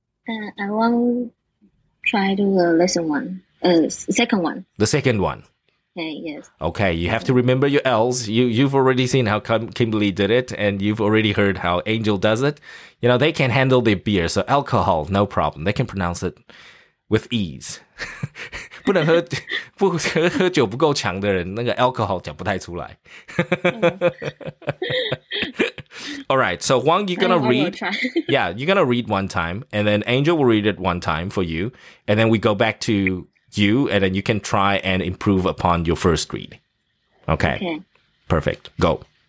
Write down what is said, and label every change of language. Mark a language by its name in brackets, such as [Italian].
[English] I want to try to the lesson one, second one. The second one. Okay, yes. Okay, you have to remember your L's. You've already seen how Kimberly did it, and you've already heard how Angel does it. You know, they can handle their beer, so alcohol, no problem. They can pronounce it with ease. [Chinese] 不能喝，不喝喝酒不够强的人，那个 alcohol 讲不太出来。 [English] All right, so Huang, you're gonna read. Yeah, you're gonna read one time, and then Angel will read it one time for you, and then we go back to you, and then you can try and improve upon your first read. Okay. Okay. Perfect. Go.